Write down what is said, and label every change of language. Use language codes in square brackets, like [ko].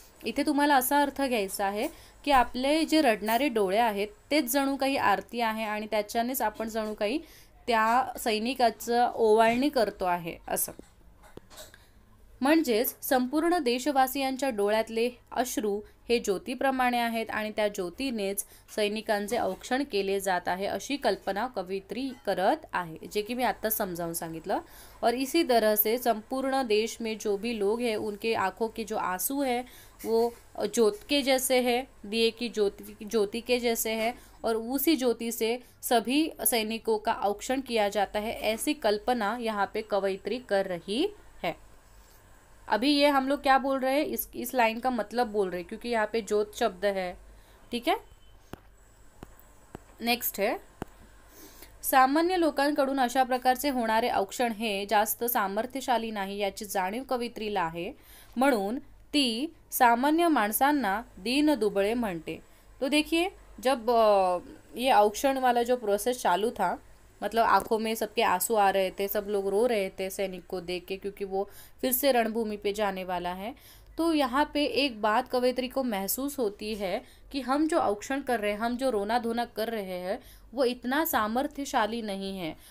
[mr] इथे तुम्हाला असा अर्थ घ्यायचा आहे की आपले जे रडणारे डोळे आहेत तेच जणू काही आरती आहे, आणि त्याच्यानेच आपण जणू काही त्या सैनिकाचं ओवाळणी करतो आहे असं। म्हणजेच संपूर्ण देशवासियांच्या डोळ्यातले अश्रू हे ज्योतीप्रमाणे आहेत आणि त्या ज्योतीनेच सैनिकांचे औक्षण केले जात आहे अशी कल्पना कवित्री करत आहे, जे की मी आत्ता समजावून सांगितलं। [hi] और इसी तरह से संपूर्ण देश में जो भी लोग हैं उनके आँखों के जो आंसू है वो ज्योत के जैसे है, दिए की ज्योति के जैसे है, और उसी ज्योति से सभी सैनिकों का औक्षण किया जाता है, ऐसी कल्पना यहाँ पे कवित्री कर रही है। अभी ये हम लोग क्या बोल रहे हैं, इस लाइन का मतलब बोल रहे हैं, क्योंकि यहाँ पे ज्योत शब्द है, ठीक है। नेक्स्ट है, [mr] सामान्य लोकांकडून अशा प्रकारचे होणारे औक्षण हे जास्त सामर्थ्यशाली नाही याची जाणीव कवित्रीला आहे, म्हणून ती सामान्य माणसांना दीन दुबळे म्हणते। [hi] तो देखिए, जब ये औक्षण वाला जो प्रोसेस चालू था, मतलब आँखों में सबके आंसू आ रहे थे, सब लोग रो रहे थे सैनिक को देख के, क्योंकि वो फिर से रणभूमि पे जाने वाला है। तो यहाँ पे एक बात कवित्री को महसूस होती है कि हम जो औक्षण कर रहे हैं, हम जो रोना धोना कर रहे हैं, वो इतना सामर्थ्यशाली नहीं है।